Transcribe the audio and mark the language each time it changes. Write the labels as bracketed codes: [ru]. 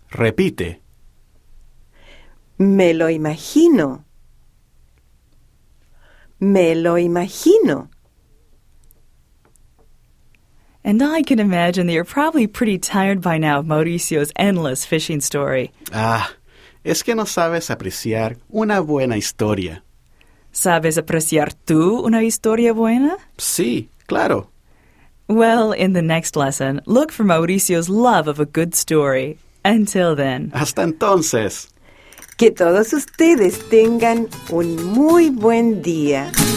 [es] Repite. Me lo imagino. Me lo imagino. [en] And I can imagine that you're probably pretty tired by now of Mauricio's endless fishing story. [es] Ah, es que no sabes apreciar una buena historia. ¿Sabes apreciar tú una historia buena? Sí, claro. [en] Well, in the next lesson, look for Mauricio's love of a good story. Until then. [es] Hasta entonces. Que todos ustedes tengan un muy buen día.